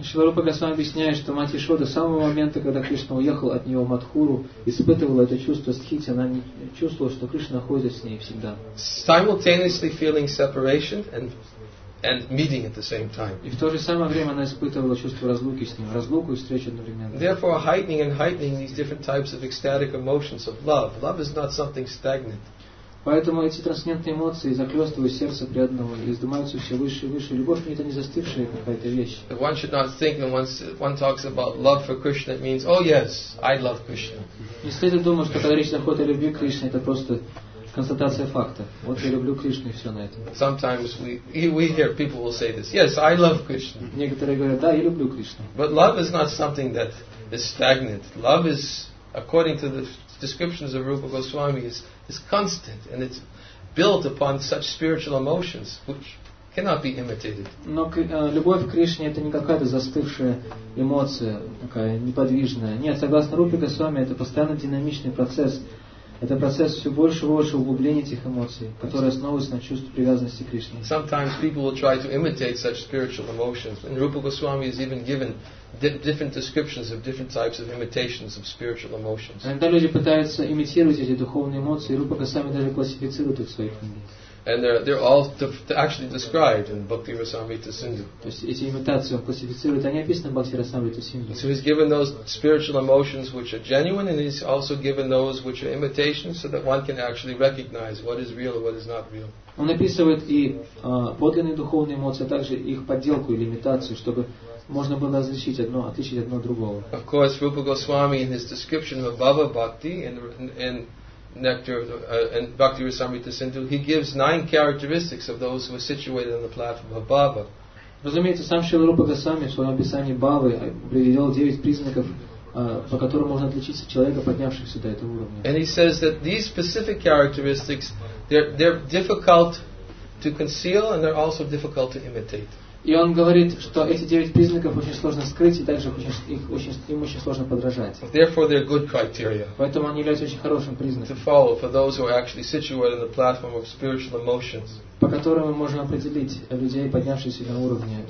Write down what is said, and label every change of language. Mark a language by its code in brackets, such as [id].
[ru] Шрила Рупа Госвами объясняет, что мать Ишода с самого момента, когда Кришна уехал от него в Матхуру, испытывала это чувство стхити. Она чувствовала, что Кришна находится с ней всегда. [en] Simultaneously feeling separation and meeting at the same time. [ru] И в то же самое время она испытывала чувство разлуки с ним, разлуку и встречу одновременно. [en] Therefore, heightening these different types of ecstatic emotions of love. Love is not something stagnant. [ru] Поэтому эти трансцендентные эмоции захлестывают сердце преданного и вздымаются все выше и выше. Любовь не это не застывшая какая-то вещь. [en] One should not think that one talks about love for Krishna, it means, oh yes, I love Krishna. [ru] Не следует думать, что когда речь заходит о любви к Кришне, это просто констатация факта. Вот я люблю Кришну и все на этом. [en] Sometimes we hear people will say this. Yes, I love Krishna. [ru] Некоторые говорят, да, я люблю Кришну. [en] But love is not something that is stagnant. Love is, according to the descriptions of Rupa Goswami, is constant and it's built upon such spiritual emotions which cannot be imitated. [ru] Но любовь к Кришне это не какая-то застывшая эмоция, такая неподвижная. Нет, согласно Рупе Госвами, это постоянно динамичный процесс. Это процесс все больше и больше углубления этих эмоций, которые основываются на чувстве привязанности к Кришне. [en] Sometimes people will try to imitate such spiritual emotions. And Rupa Goswami is even given different descriptions of different types of imitations of spiritual emotions. [ru] Иногда люди пытаются имитировать эти духовные эмоции, и Рупа Госвами даже классифицирует их в своей книге. [en] And they're all actually described in Bhakti Rasamrita Sindhu. [ru] То есть эти имитации он классифицирует, они описаны в Бхакти Расамрита Синдху. [en] So he's given those spiritual emotions which are genuine, and he's also given those which are imitations, so that one can actually recognize what is real and what is not real. [ru] Он описывает и подлинные духовные эмоции, а также их подделку или имитацию, чтобы можно было различить одно, отличить одно от другого. [en] Of course, Rupa Goswami in his description of Bhava Bhakti in Nectar and Bhakti Rasamrita Sindhu, he gives 9 characteristics of those who are situated on the platform of Bhava. [ru] Разумеется, сам Шрила Рупа Госвами в своем описании Бхавы приведел 9 признаков по которому можно отличить человека, поднявшегося до этого уровня. [en] And he says that these specific characteristics, they're difficult to conceal and they're also difficult to imitate. [ru] И он говорит, что эти девять признаков очень сложно скрыть и также им очень сложно подражать. [en] Therefore, they're good criteria. [ru] Поэтому они являются очень хорошим признаком. [en] To follow for those who are actually situated in the platform of spiritual emotions. [ru] По которому можно определить людей, поднявшихся на уровне